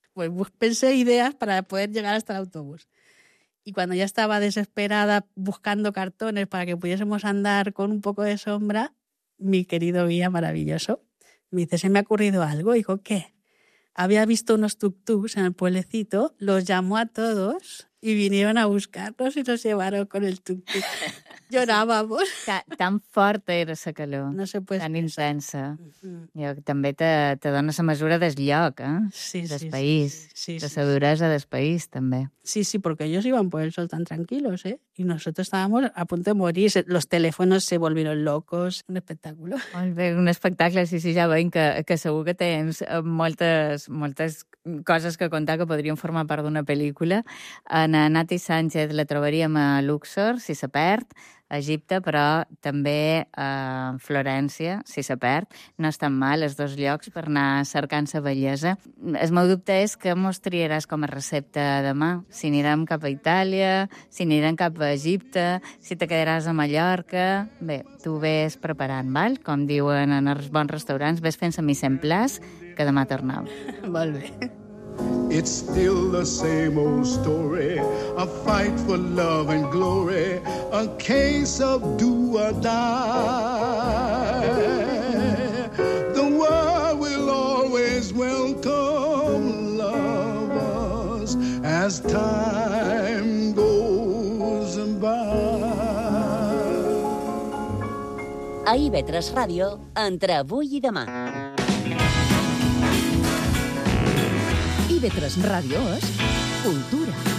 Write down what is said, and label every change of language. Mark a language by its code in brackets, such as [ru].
[es] Pues pensé ideas para poder llegar hasta el autobús. Y cuando ya estaba desesperada buscando cartones para que pudiésemos andar con un poco de sombra, mi querido guía maravilloso me dice, se me ha ocurrido algo. Y digo, ¿qué? Había visto unos tuk-tuks en el pueblecito, los llamó a todos y vinieron a buscarnos y nos llevaron con el tuk-tuk. Llorábamos. Tan forta era esa calor. No se puede. Tan intensa. [ca] Jo, també te dona la mesura del lloc, Sí, del sí, país. Sí, sí, de la duresa del país, també. [es] Sí, sí, [ca] perquè ells [es] iban por el sol tan tranquilos, Y nosotros estábamos a punto de morir. Los teléfonos se volvieron locos. Un espectáculo. [ca] Molt bé, un espectacle. Sí, sí, ja veiem que segur que tens moltes coses que contar que podrien formar part d'una pel·lícula. En Nati Sánchez la trobaríem a Luxor, si se perd, a Egipte, però també a Florència, si se perd. No estan mal els dos llocs per anar cercant sa bellesa. El meu dubte és que mos triaràs com a recepta demà. Si anirem cap a Itàlia, si anirem cap a Egipte, si te quedaràs a Mallorca... Bé, tu vés preparant, val? Com diuen en els bons restaurants, vés fent-se mi cent plats, que demà tornem. Molt bé. [en] It's still the same old story, a fight for love and glory, a case of do or die. The world will always welcome lovers as time goes by. [ca] A IB3 Ràdio, entre avui i demà. IB3 Ràdio és cultura.